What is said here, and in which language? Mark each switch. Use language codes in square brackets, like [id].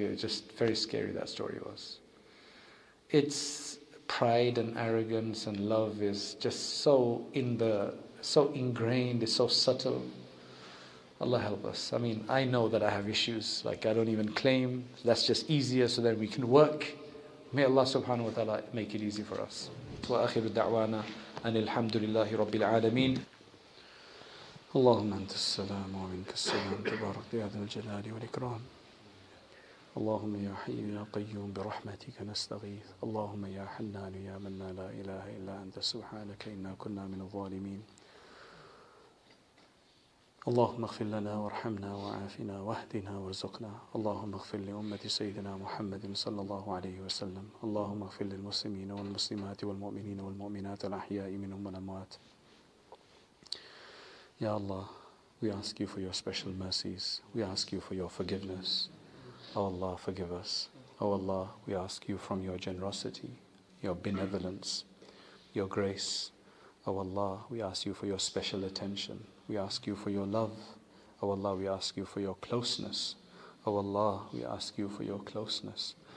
[en] It was just very scary, that story was. It's pride and arrogance and love is just so ingrained, it's so subtle. Allah help us. I mean, I know that I have issues. Like, I don't even claim. That's just easier so that we can work. May Allah subhanahu wa ta'ala make it easy for us. [ar] Wa akhiru da'wana and alhamdulillahi rabbil alameen. اللهم أنت السلام ومنك السلام تبارك يا ذا الجلال والإكرام اللهم يا حي يا قيوم برحمتك نستغيث اللهم يا حنان يا منان لا إله إلا أنت سبحانك إنا كنا من الظالمين اللهم اغفر لنا وارحمنا وعافنا واهدنا وارزقنا اللهم اغفر لأمة سيدنا محمد صلى الله عليه وسلم اللهم اغفر للمسلمين والمسلمات والمؤمنين والمؤمنات الأحياء منهم والأموات [en] Ya Allah, we ask you for your special mercies. We ask you for your forgiveness. Oh Allah, forgive us. Oh Allah, we ask you from your generosity, your benevolence, your grace. Oh Allah, we ask you for your special attention. We ask you for your love. Oh Allah, we ask you for your closeness. Oh Allah, we ask you for your closeness.